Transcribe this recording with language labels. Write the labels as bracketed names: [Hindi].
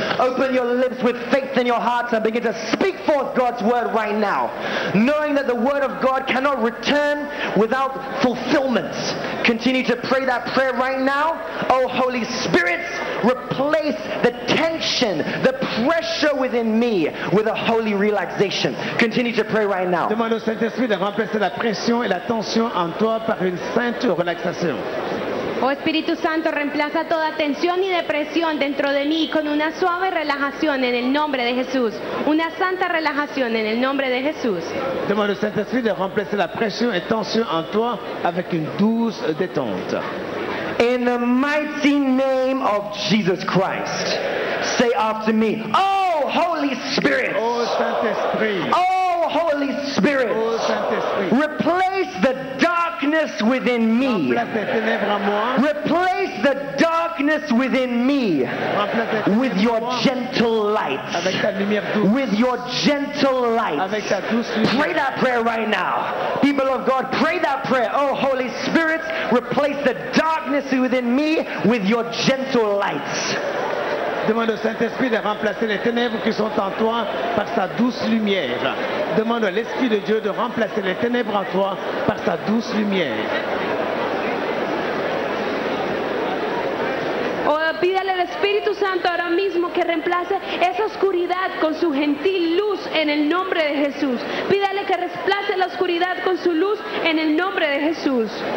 [English] Open your lips with faith in your heart and begin to speak forth God's word right now, knowing that the word of God cannot return without fulfillment. Continue to pray that prayer right now. Oh Holy Spirit, replace the tension, the pressure within me with a holy relaxation. Continue to pray right now. [French] Demande au Saint-Esprit de remplacer la pression et la tension en toi par une sainte relaxation. [Spanish] Oh Espíritu Santo, reemplaza toda tensión y depresión dentro de mí con una suave relajación en el nombre de Jesús. Una santa relajación en el nombre de Jesús. [French] Demande au Saint-Esprit de remplacer la pression et tension en toi avec une douce détente. [English] In the mighty name of Jesus Christ, say after me, oh Holy Spirit. [French] Oh Saint-Esprit. [English] Oh Holy Spirit. [French] Oh Saint-Esprit. [English] Replace the darkness within me. Replace the darkness within me with your gentle light. With your gentle light. Pray that prayer right now. People of God, pray that prayer. Oh Holy Spirit, replace the darkness within me with your gentle light. [French] Demande au Saint-Esprit de remplacer les ténèbres qui sont en toi par sa douce lumière. Demande à l'Esprit de Dieu de remplacer les ténèbres en toi par sa douce lumière. Oh, [Spanish] Pídale al Espíritu Santo ahora mismo que reemplace esa oscuridad con su gentil luz en el nombre de Jesús. Pídale que reemplace la oscuridad con su luz en el nombre de Jesús.